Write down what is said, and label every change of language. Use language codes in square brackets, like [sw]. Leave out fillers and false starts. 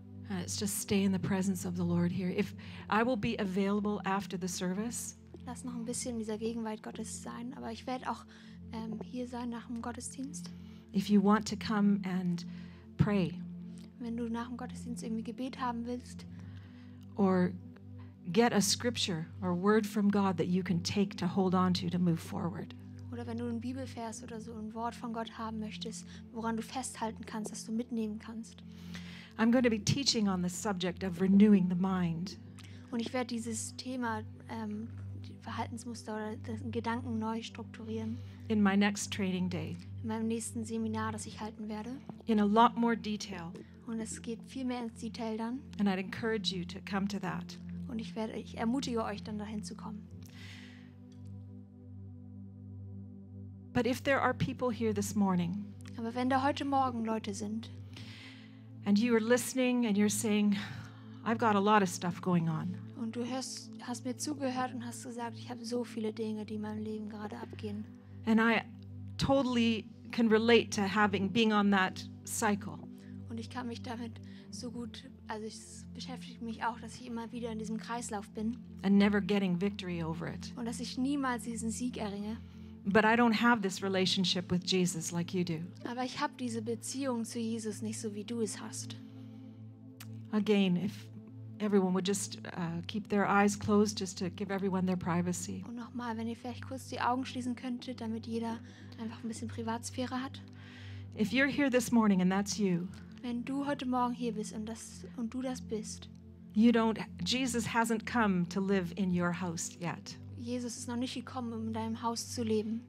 [en] Let's just stay in the presence of the Lord here. If I will be available after the service. [de] Lass noch ein bisschen in dieser Gegenwart Gottes sein, aber ich werde auch hier sein nach dem Gottesdienst. [en] If you want to come and pray. [de] Wenn du nach dem Gottesdienst irgendwie Gebet haben willst. [en] Or get a scripture or word from God that you can take to hold on to move forward. [de] Oder wenn du einen Bibelvers oder so ein Wort von Gott haben möchtest, woran du festhalten kannst, das du mitnehmen kannst. [en] I'm going to be teaching on the subject of renewing the mind. [de] Und ich werde dieses Thema Verhaltensmuster oder Gedanken neu strukturieren. [en] In my next training day. [de] In meinem nächsten Seminar, das ich halten werde. [en] In a lot more detail. [de] Und es geht viel mehr ins Detail dann. [en] And I'd encourage you to come to that. [de] Und ich ermutige euch dann dahin zu kommen. [en] But if there are people here this morning, [de] aber wenn da heute Morgen Leute sind, [en] and you are listening and you're saying, I've got a lot of stuff going on, [de] und du hast mir zugehört und hast gesagt, ich habe so viele Dinge, die in meinem Leben gerade abgehen, [en] and I totally can relate to being on that cycle, [de] und ich kann mich damit so gut, also es beschäftigt mich auch, dass ich immer wieder in diesem Kreislauf bin. [en] And never getting victory over it. [de] Und dass ich niemals diesen Sieg erringe. [en] But I don't have this relationship with Jesus like you do. [de] Aber ich habe diese Beziehung zu Jesus nicht so, wie du es hast. [en] Again, if everyone would just keep their eyes closed, just to give everyone their privacy. [de] Und nochmal, wenn ihr vielleicht kurz die Augen schließen könntet, damit jeder einfach ein bisschen Privatsphäre hat. [en] If you're here this morning and that's you, [de] wenn du heute Morgen hier bist und das und du das bist, [en] you don't. Jesus hasn't come to live in your house yet. [de] Jesus ist noch nicht gekommen, um in deinem Haus zu leben.